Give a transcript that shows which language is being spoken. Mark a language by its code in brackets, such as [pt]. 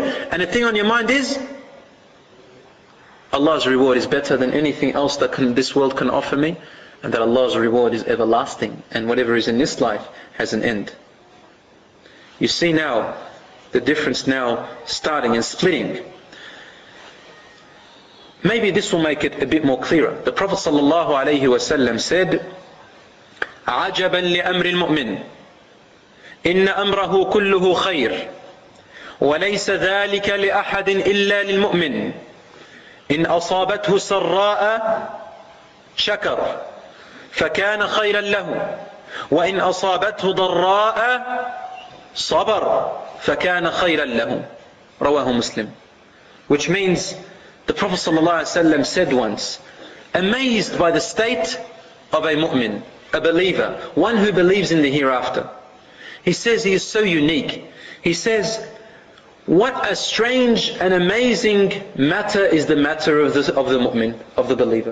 [en] And the thing on your mind is, Allah's reward is better than anything else that this world can offer me, and that Allah's reward is everlasting, and whatever is in this life has an end. You see now, the difference now starting and splitting. Maybe this will make it a bit more clearer. The Prophet sallallahu alayhi wa sallam said, [ar] عَجَبًا لِأَمْرِ الْمُؤْمِنِ إِنَّ أَمْرَهُ كُلُّهُ خَيْرٌ وَلَيْسَ ذَلِكَ لِأَحَدٍ إِلَّا لِلْمُؤْمِنِ إِنْ أَصَابَتْهُ سَرَّاءَ شَكَرَ فَكَانَ خَيْرًا لَهُ وَإِنْ أَصَابَتْهُ ضَرَّاءَ صَبَرَ فَكَانَ خَيْرًا لَهُ رواه مسلم. [en] Which means, the Prophet sallallahu alaihi wasallam said once, amazed by the state of a mu'min, a believer, one who believes in the hereafter, he says he is so unique. He says, what a strange and amazing matter is the matter of the mu'min, of the believer.